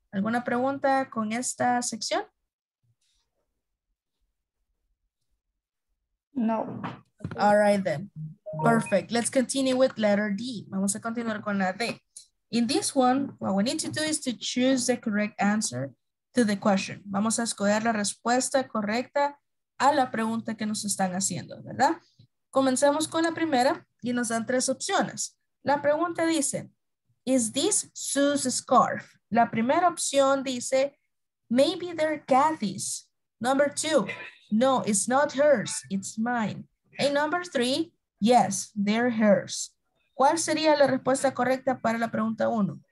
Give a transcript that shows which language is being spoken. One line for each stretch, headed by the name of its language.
Spanish: ¿Alguna pregunta con esta sección? No.
English: All right then. Perfect. Let's continue with letter D.
Spanish: Vamos a continuar con la D.
English: In this one, what we need to do is to choose the correct answer to the question.
Spanish: Vamos a escoger la respuesta correcta a la pregunta que nos están haciendo, ¿verdad? Comenzamos con la primera y nos dan tres opciones. La pregunta dice,
English: is this Sue's scarf?
Spanish: La primera opción dice,
English: maybe they're Kathy's. Number two, no, it's not hers, it's mine. And number three, yes, they're hers.
Spanish: ¿Cuál sería la respuesta correcta para la pregunta uno?